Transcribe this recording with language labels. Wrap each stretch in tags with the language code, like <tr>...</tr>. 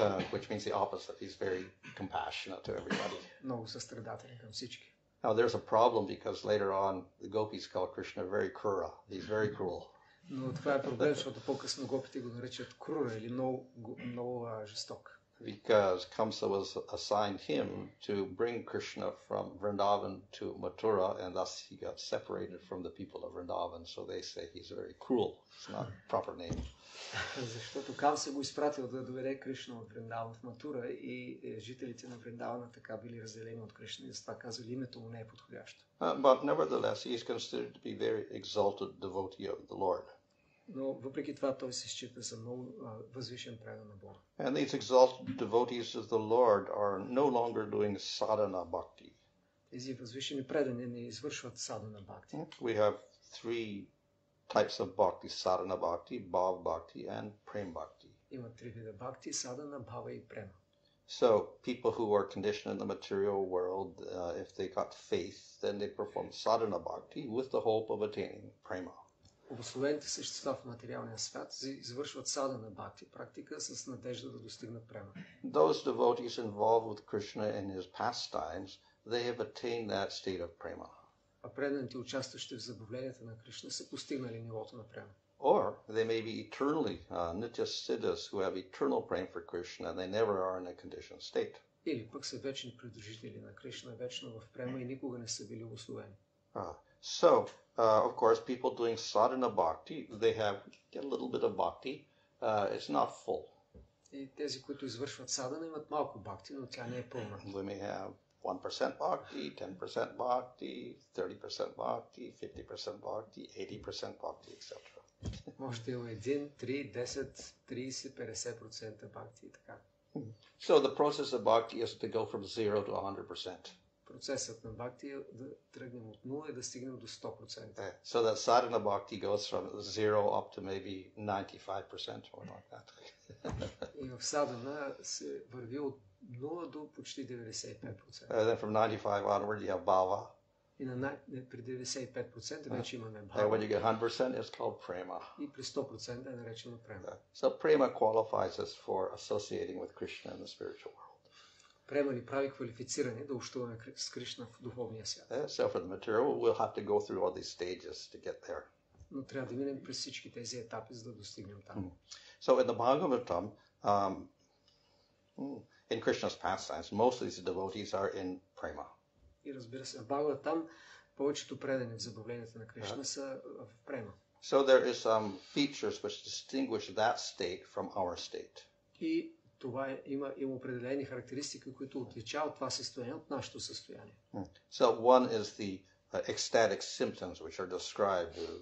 <en>Which means the opposite. He's very compassionate to everybody. Now there's a problem because later on the gopis call Krishna very Kura. He's very cruel.</en> <bg>Но това е проблем, защото по-късно гопите го наричат крура или много жесток.</bg> <en>Because Kamsa was assigned him to bring Krishna from Vrindavan to Mathura, and thus he got separated from the people of Vrindavan, so they say he's very cruel. It's not a proper name.</en> <bg>Защото Камса го изпратил да доведе Кришна от Вриндаван в Матура и жителите на Вриндавана така били разделени от Кришна и затова казали името му не е подходящо.</bg> <en>But nevertheless, he is considered to be very exalted devotee of the Lord.</en> <bg>Но въпреки това той се счита за много възвишен предан на Бога.</bg> <en>And these exalted devotees of the Lord are no longer doing sadhana bhakti.</en> <bg>Тези възвишени предани не извършват sadhana bhakti.</bg> <en>We have three types of bhakti: sadhana bhakti, bhava bhakti and prema bhakti.</en> <bg>Има три вида бхакти: sadhana, bhava и prema.</bg> <en>So people who are conditioned in the material world, if they got faith, then they perform sadhana bhakti with the hope of attaining prema.</en> <bg>Обословените същества в материалния свят извършват садана бхакти практика с надежда да достигнат према.</bg> <en>Those devotees involved with Krishna in his pastimes, they have attained that state of prema.</en> <bg>А преданите участващи в забавленията на Кришна са постигнали нивото на према.</bg> <en>Or they may be eternally nitya siddhas who have eternal prema for Krishna and they never are in a conditioned state.</en> <bg>Или пък са вечни придружители на Кришна, вечно в према и никога не са били обословени.</bg> <en>So, of course, people doing sadhana bhakti, they have a little bit of bhakti, It's not full.</en> <bg>И тези, които извършват садана, имат малко бхакти, но тя не е пълна.</bg> <en>We may have 1% bhakti, 10% bhakti, 30% bhakti, 50% bhakti, 80% bhakti, etc.</en> <bg>Може да има 1, 3, 10, 30, 50% bhakti и така.</bg> <en>So the process of bhakti is to go from 0 to 100%.</en> <bg>Процесът на бхакти е да тръгнем от 0 и да стигнем до 100%.</bg> <en>Yeah. So that sadhana bhakti goes from 0 up to maybe 95% or like that.</en> <bg>И в садана се върви от 0 до почти 95%.</bg> <en>And then from 95 onward you have bhava.</en> <bg>И на при 95% вече имаме бхава.</bg> <en>And when you get 100% it's called prema.</en> <bg>И при 100% е наречено према. Yeah.</bg> <en>So prema qualifies us for associating with Krishna in the spiritual world.</en> <bg>Према ни прави квалифициране да общуваме с Кришна в духовния свят.</bg> <en>Yeah, so for the material, we'll have to go through all these stages to get there.</en> <bg>Но трябва да минем през всички тези етапи, за да достигнем там. Mm.</bg> <en>So in the Bhagavatam, in Krishna's pastimes, most of these devotees are in prema.</en> <bg>И разбира се, в Бхагаватам повечето предани в забавленията на Кришна са в према.</bg> <en>So there is some features which distinguish that state from our state.</en> <bg>И това е, има, има определени характеристики, които отличават това състояние от нашето състояние.</bg> <en>So one is the ecstatic symptoms which are described.</en>